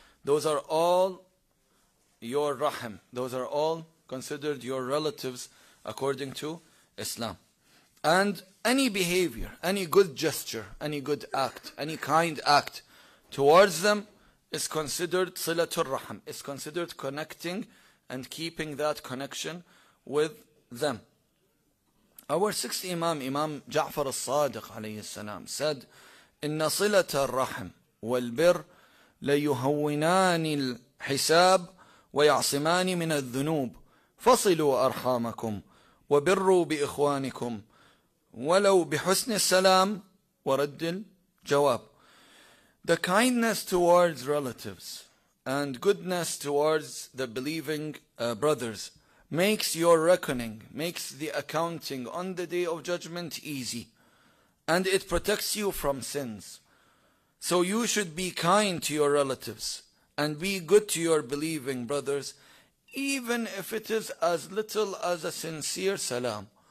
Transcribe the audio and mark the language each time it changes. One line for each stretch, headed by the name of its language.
English: Those are all your rahim. Those are all considered your relatives according to Islam. And any behavior, any good gesture, any good act, any kind act towards them is considered silatul rahim, is considered connecting and keeping that connection with them.
Arabic: Our sixth Imam, Imam Ja'far al-Sadiq alayhi salam, said, إِنَّ صِلَةَ الرَّحْمِ وَالْبِرِّ لَيُهَوِّنَانِ الْحِسَابِ وَيَعْصِمَانِ مِنَ الذُّنُوبِ فَصِلُوا أَرْحَامَكُمْ وَبِرُّوا بِإِخْوَانِكُمْ وَلَوْ بِحُسْنِ السَّلَامِ وَرَدِّ الْجَوَابِ.
English: The kindness towards relatives and goodness towards the believing brothers makes your reckoning, makes the accounting on the Day of Judgment easy. And it protects you from sins. So you should be kind to your relatives and be good to your believing brothers, even if it is as little as a sincere salam.